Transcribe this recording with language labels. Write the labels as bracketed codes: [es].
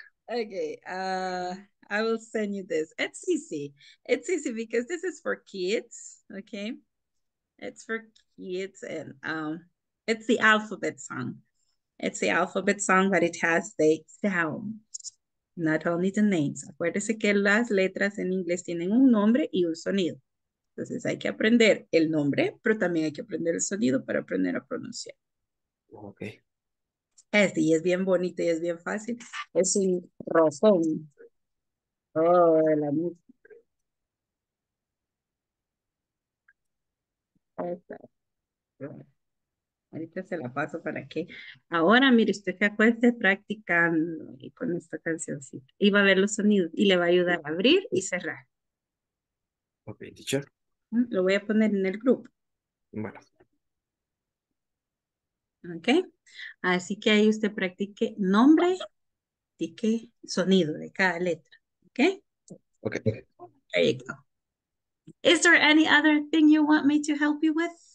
[en] Okay. I will send you this. It's easy. It's easy because this is for kids. Okay. It's for kids and it's the alphabet song. It's the alphabet song, but it has the sounds, not only the names. [es] Acuérdese que las letras en inglés tienen un nombre y un sonido. Entonces hay que aprender el nombre, pero también hay que aprender el sonido para aprender a pronunciar. Ok. Este y es bien bonito y es bien fácil. Es un rosón. Oh, la música. Esta. Ahorita se la paso para que. Ahora, mire, usted se acueste practicando y con esta cancioncita. Y va a ver los sonidos y le va a ayudar a abrir y cerrar. [en] Ok, teacher. [es] Lo voy a poner en el grupo. Bueno. Ok. Así que ahí usted practique nombre, tique, sonido de cada letra. Ok. Ok. [en] There you go. Is there any other thing you want me to help you with?